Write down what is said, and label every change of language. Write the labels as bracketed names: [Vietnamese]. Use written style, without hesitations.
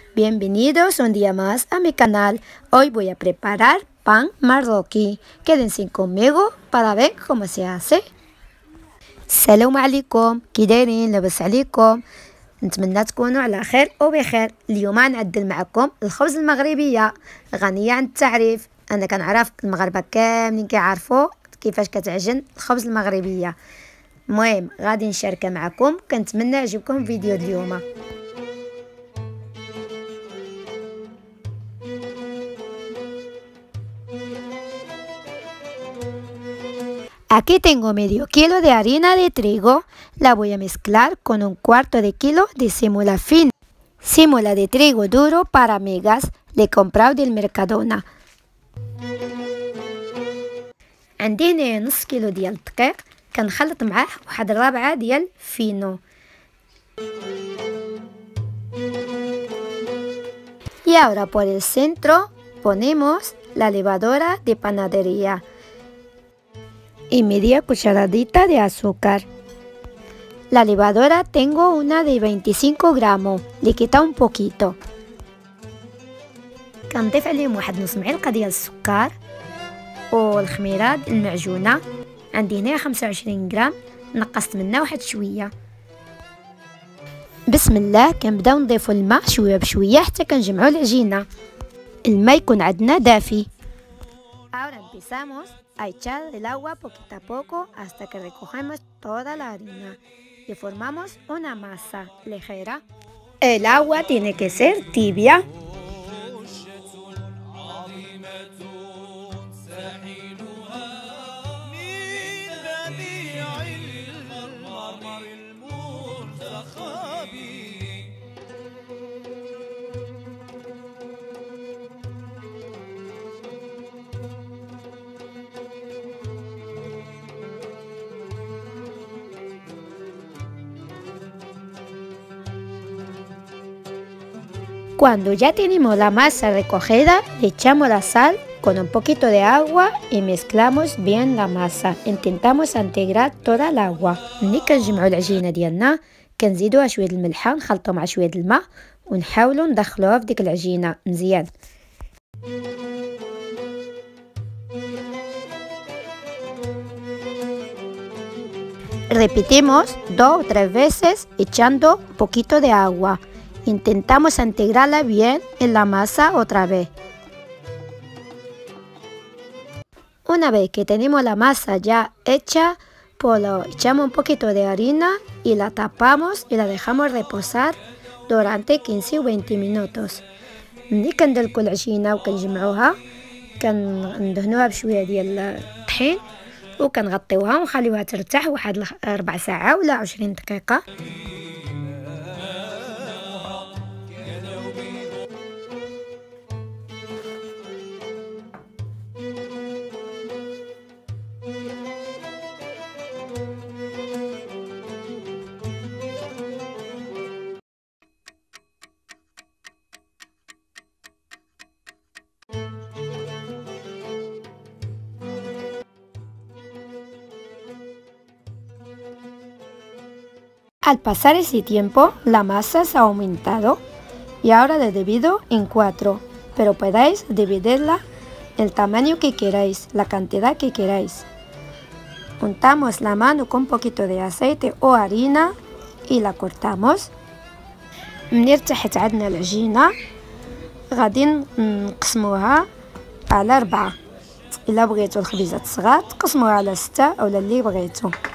[Spanish] Bienvenidos un día más a mi canal. Hoy voy a preparar pan marroquí. Quédense conmigo para ver cómo se hace. [Arabic] Salam alaikum, kiderin, labas alaikum. نتمنى تكونوا على خير وبخير. اليوم نعدل معكم الخبز المغربية غنية عن التعريف. أنا كنعرف المغاربة كاملين كيعرفوا كيفاش كتعجن الخبز المغربية. مهم غادي نشارك معكم، كنتمنى يعجبكم فيديو اليوم. [Spanish] Aquí tengo medio kilo de harina de trigo. La voy a mezclar con un cuarto de kilo de sémola fina. Sémola de trigo duro para migas. Le he comprado del Mercadona. [Arabic] عندي نص كيلو ديال الدقيق، كنخلط معاه واحد الرابعة ديال فينو. [Spanish] Y ahora por el centro ponemos la levadura de panadería y media cucharadita de azúcar. La levadura tengo una de 25 gramos, le quita un poquito. [Arabic] كنضيف عليهم واحد نص معلقة ديال السكر والخميرة المعجونة. عندي هنا 25 غرام، نقصت منها واحد شوية. بسم الله كنبداو نضيفو الماء شوية بشوية حتى كنجمعو العجينة. الماء يكون عندنا دافي. [Spanish] Ahora empezamos a echar el agua poquito a poco hasta que recogemos toda la harina y formamos una masa ligera. El agua tiene que ser tibia. Cuando ya tenemos la masa recogida, le echamos la sal con un poquito de agua y mezclamos bien la masa. Intentamos integrar toda el agua. [Arabic] ملي كنجمعوا العجينه ديالنا كنزيدوها شويه الملح، نخلطوا مع شويه الماء ونحاولوا ندخلوها في ديك العجينه مزيان. [Spanish] Repetimos dos o tres veces echando un poquito de agua. Intentamos integrarla bien en la masa otra vez. Una vez que tenemos la masa ya hecha, pues lo echamos un poquito de harina y la tapamos y la dejamos reposar durante 15 o 20 minutos. [Arabic] ملي كندلكو العجينة وكنجمعوها كندهنوها بشوية ديال الطحين وكنغطيوها ونخليوها ترتاح واحد 4 ساعة ولا 20 دقيقة. [Spanish] Al pasar ese tiempo, la masa se ha aumentado y ahora la divido en cuatro, pero podéis dividirla el tamaño que queráis, la cantidad que queráis. Untamos la mano con un poquito de aceite o harina y la cortamos. [Arabic] ملي ارتاحت عندنا العجينة غادي نقسموها على أربعة. إلا بغيتو الخبيزات صغار تقسموها على ستة أو اللي بغيتو.